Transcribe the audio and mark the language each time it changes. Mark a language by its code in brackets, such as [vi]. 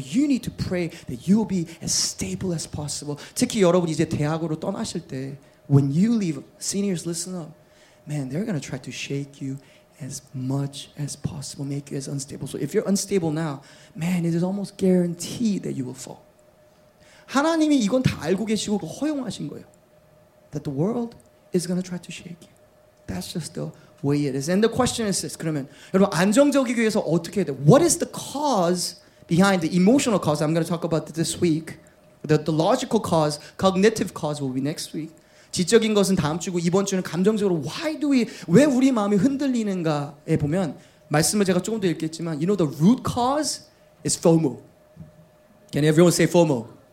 [en] You need to pray that you will be as stable as possible. [ko] 특히 여러분 이제 대학으로 떠나실 때, [en] when you leave, seniors, listen up. Man, they're going to try to shake you as much as possible, make you as unstable. So if you're unstable now, man, it is almost guaranteed that you will fall. [ko] 하나님이 이건 다 알고 계시고 허용하신 거예요. [en] That the world is going to try to shake you. That's just the way it is. And the question is this. [ko] 그러면 여러분 안정적이기 위해서 어떻게 해야 돼? [en] What is the cause behind the emotional cause? I'm going to talk about this week. The logical cause, cognitive cause will be next week. [ko] 지적인 것은 다음 주고 이번 주는 감정적으로 [en] why do we, [ko] 왜 우리 마음이 흔들리는가에 보면 말씀을 제가 조금 더 읽겠지만 [en] you know the root cause is FOMO. Can everyone say FOMO?